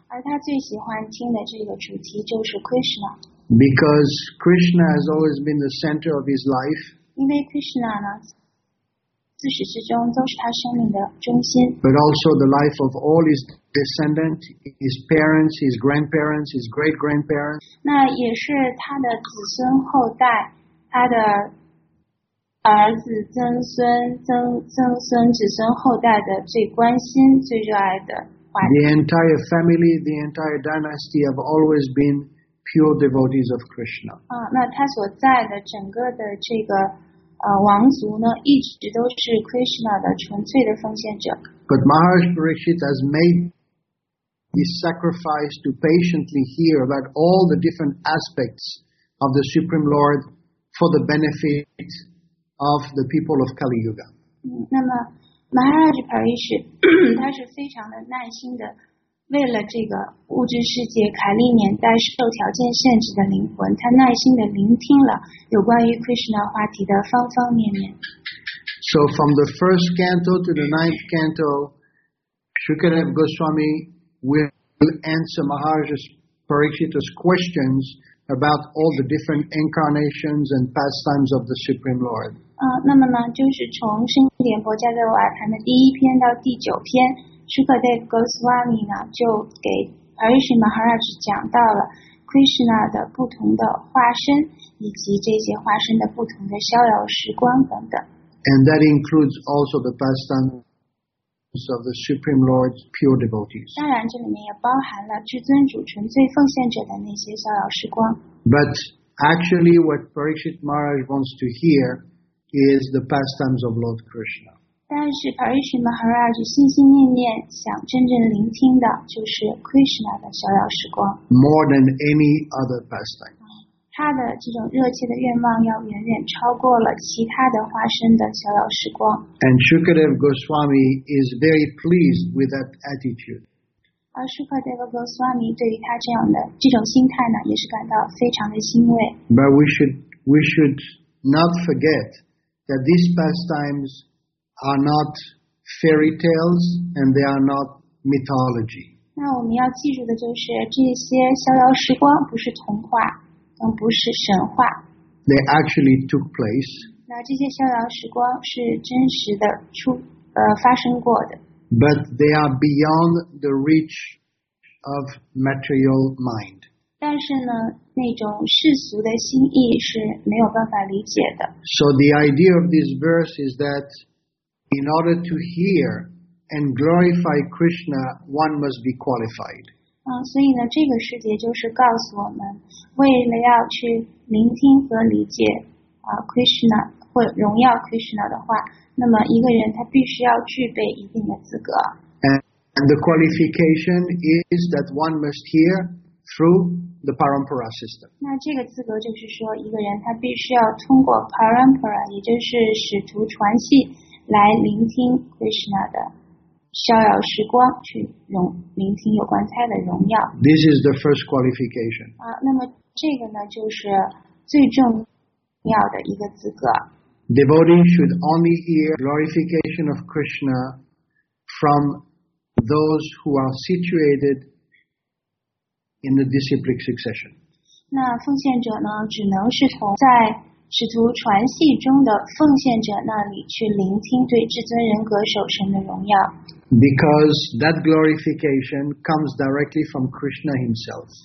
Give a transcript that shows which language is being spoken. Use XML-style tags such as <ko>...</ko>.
<zh>而他最喜欢听的这个主题就是 Krishna.</zh> <en>Because Krishna has always been the center of his life.</en> <zh>因为 Krishna 呢，自始至终都是他生命的中心。</zh> <en>But also the life of all his descendant, his parents, his grandparents, his great grandparents.</en> <zh>那也是他的子孙后代，他的儿子、曾孙、曾孙、子孙后代的最关心、最热爱的话题。</zh> <en>The entire family, the entire dynasty have always been pure devotees of Krishna.</en> <zh>那他所在的整个的这个王族呢，一直都是 Krishna 的纯粹的奉献者。</zh> <en>But Maharishi Parikshit has made his sacrifice to patiently hear about all the different aspects of the Supreme Lord for the benefit of the people of Kali Yuga.</en> <zh>那么 Maharaj Parikshit 他是非常的耐心的，为了这个物质世界凯利年代受条件限制的灵魂，他耐心的聆听了有关于 Krishna 话题的方方面面。</zh> <en>So from the first canto to the ninth canto, Shukadev Goswami will answer Maharaj Parikshit's questions about all the different incarnations and pastimes of the Supreme Lord.</en> <zh>那么呢，就是从《圣典婆伽多瓦盘》的第一篇到第九篇。 Shukadev Goswami 呢，就给 Parikshit Maharaj 讲到了 Krishna 的不同的化身，以及这些化身的不同的逍遥时光等等。</zh> <en>And that includes also the pastimes of the Supreme Lord's pure devotees.</en> <zh>当然，这里面也包含了至尊主纯粹奉献者的那些逍遥时光。</zh> <en>But actually, what Parikshit Maharaj wants to hear is the pastimes of Lord Krishna.</en> <zh>但是 Parikshit Maharaj 心心念念想真正聆听的就是 Krishna 的逍遥时光。</zh> <en>More than any other pastime.</en> <zh>他的这种热切的愿望要远远超过了其他的化身的逍遥时光。</zh> <en>And Shukadev Goswami is very pleased with that attitude.</en> <zh>而 Shukadev Goswami 对于他这种心态呢，也是感到非常的欣慰。</zh> <en>But we should not forget that these pastimes. Are not fairy tales and they are not mythology.</en> <zh>那我们要记住的就是这些逍遥时光不是童话，更不是神话。</zh> <en>They actually took place.</en> <zh>那这些逍遥时光是真实的发生过的。</zh> <en>But they are beyond the reach of material mind.</en> <zh>但是呢，那种世俗的心意是没有办法理解的。</zh> <en>So the idea of this verse is that. In order to hear and glorify Krishna, one must be qualified.</en> <zh>所以呢，这个世界就是告诉我们，为了要去聆听和理解Krishna 或荣耀 Krishna 的话，那么一个人他必须要具备一定的资格。</zh> <en>And the qualification is that one must hear through the parampara system.</en> <zh>那这个资格就是说，一个人他必须要通过 parampara， 也就是使徒传系。来聆听 Krishna 的逍遥时光，去聆听有关他的荣耀。</zh> <en>This is the first qualification.</en> <zh>那么这个呢，就是最重要的一个资格。</zh> <en>Devotee should only hear glorification of Krishna from those who are situated in the disciplic succession.</en> <zh>那奉献者呢，只能是从在使徒传系中的奉献者那里去聆听对至尊人格首身的荣耀。</zh> <en>Because that glorification comes directly from Krishna himself.</en>